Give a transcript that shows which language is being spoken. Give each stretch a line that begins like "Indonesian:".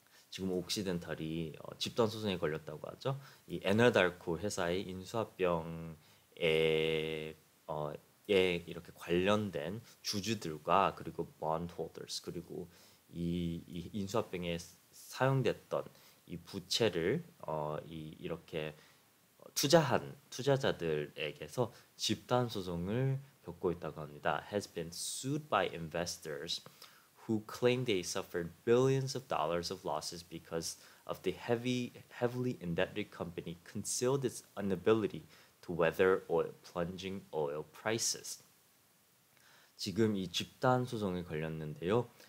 Korean: 지금 옥시덴탈이 집단 소송에 걸렸다고 하죠. 이 에너달코 회사의 인수합병에 이렇게 관련된 주주들과 그리고 bondholders 그리고 이 인수합병에 사용됐던 이 부채를 이렇게 투자한 투자자들에게서 집단 소송을 겪고 있다고 합니다.
English: Has been sued by investors who claim they suffered billions of dollars of losses because of the heavily indebted company concealed its inability to weather oil plunging oil prices.
Korean: 지금 이 집단 소송에 걸렸는데요.